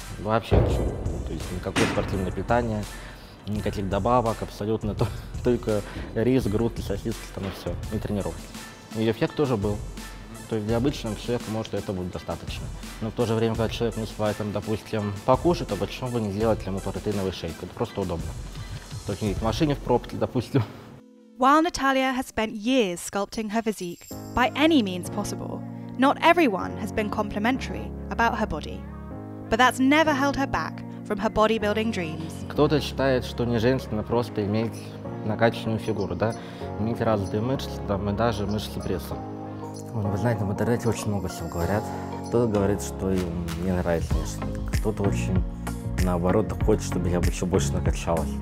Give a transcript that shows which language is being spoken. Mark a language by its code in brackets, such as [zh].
[ru] То есть, никакое спортивное питание, никаких добавок, абсолютно только рис, грудки, сосиски, там, и все, и тренировки. И эффект тоже был. То есть для обычного человека, может, это будет достаточно. Но в то же время, когда человек не успевает, там, допустим, покушать, то почему бы не сделать ему протеиновый шейк? Это просто удобно. То есть в машине в пробке, допустим. [en] While Natalia has spent years sculpting her physique by any means possible, not everyone has been complimentary about her body. But that's never held her back from her bodybuilding dreams. [ru] Кто-то считает, что не женственно просто иметь накачанную фигуру, да? Иметь развитые мышцы, там, и даже мышцы пресса. Ой, вы знаете, в интернете очень много всего говорят. Кто-то говорит, что им не нравится внешне. Кто-то очень, наоборот, хочет, чтобы я бы еще больше накачалась.